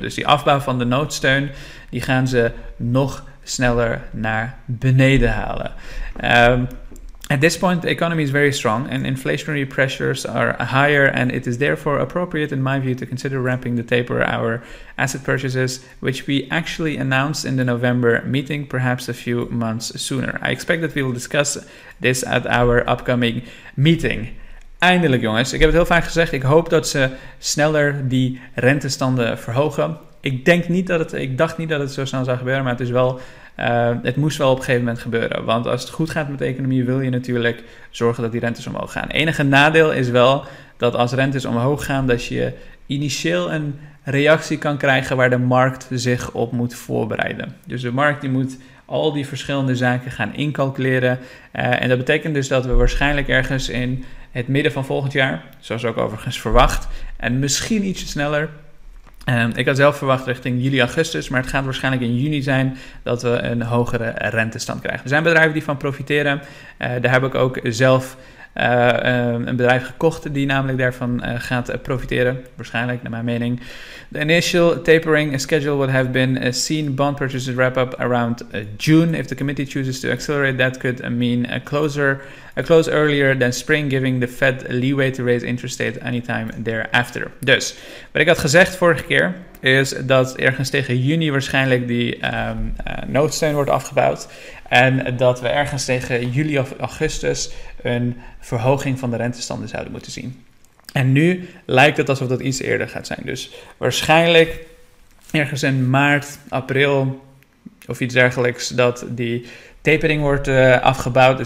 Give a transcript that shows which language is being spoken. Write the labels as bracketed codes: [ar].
[nl] Dus die afbouw van de noodsteun, die gaan ze nog sneller naar beneden halen. [en] At this point, the economy is very strong and inflationary pressures are higher and it is therefore appropriate, in my view, to consider ramping the taper our asset purchases, which we actually announced in the November meeting, perhaps a few months sooner. I expect that we will discuss this at our upcoming meeting. [nl] Eindelijk, jongens. Ik heb het heel vaak gezegd. Ik hoop dat ze sneller die rentestanden verhogen. Ik dacht niet dat het zo snel zou gebeuren, maar het is wel... Het moest wel op een gegeven moment gebeuren. Want als het goed gaat met de economie, wil je natuurlijk zorgen dat die rentes omhoog gaan. Enige nadeel is wel dat als rentes omhoog gaan, dat je initieel een reactie kan krijgen waar de markt zich op moet voorbereiden. Dus de markt die moet al die verschillende zaken gaan incalculeren. En dat betekent dus dat we waarschijnlijk ergens in het midden van volgend jaar, zoals ook overigens verwacht, en misschien ietsje sneller... Ik had zelf verwacht richting juli, augustus, maar het gaat waarschijnlijk in juni zijn dat we een hogere rentestand krijgen. Er zijn bedrijven die van profiteren. Daar heb ik ook zelf een bedrijf gekocht die namelijk daarvan gaat profiteren. Waarschijnlijk, naar mijn mening. [en] The initial tapering schedule would have been seen bond purchases wrap up around June. If the committee chooses to accelerate, that could mean a close earlier than spring, giving the Fed leeway to raise interest rates anytime thereafter. [nl] Dus, wat ik had gezegd vorige keer, is dat ergens tegen juni waarschijnlijk die noodsteun wordt afgebouwd. En dat we ergens tegen juli of augustus een verhoging van de rentestanden zouden moeten zien. En nu lijkt het alsof dat iets eerder gaat zijn. Dus waarschijnlijk ergens in maart, april of iets dergelijks dat die tapering wordt afgebouwd.